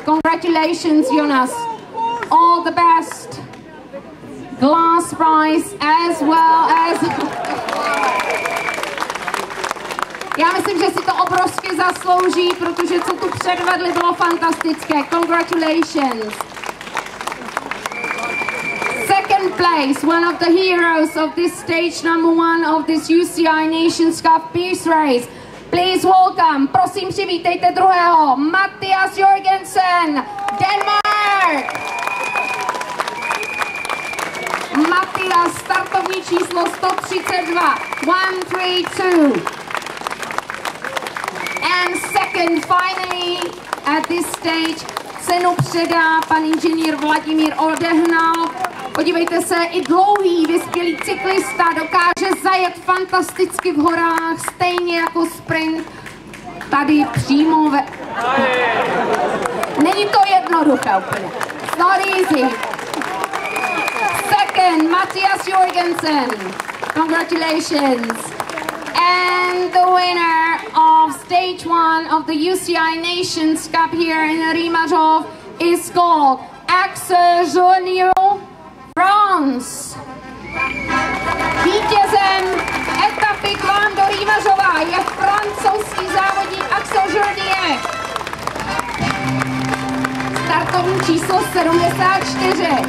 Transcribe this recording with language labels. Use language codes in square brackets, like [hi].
[en] Congratulations, Jonas. All the best. Glass prize as well as... [cs] Já myslím, že si to obrovsky zaslouží, protože co tu předvedli, bylo fantastické. [en] Congratulations. Second place, one of the heroes of this stage number one of this UCI Nations Cup Peace Race. Please welcome, [cs] prosím přivítejte druhého, Matthias Jorgensen, Denmark. Matthias, startovní číslo 132, 132. [en] And second, finally, at this stage, [cs] cenu předá pan inženýr [en] Vladimír Odehnal. [cs] Podívejte se, i dlouhý vyspělý cyklista dokáže zajet fantasticky v horách, stejně jako sprint tady přímo ve... Není to jednoduché úplně. [en] It's not easy. Second, Matthias Jorgensen. Congratulations. And the winner of stage one of the UCI Nations Cup here in Rýmařov is called Axel Junior. France. [cs] Vítězem etapy k vám do Rýmařova je francouzský závodník Axel Journier. Startovní číslo 74.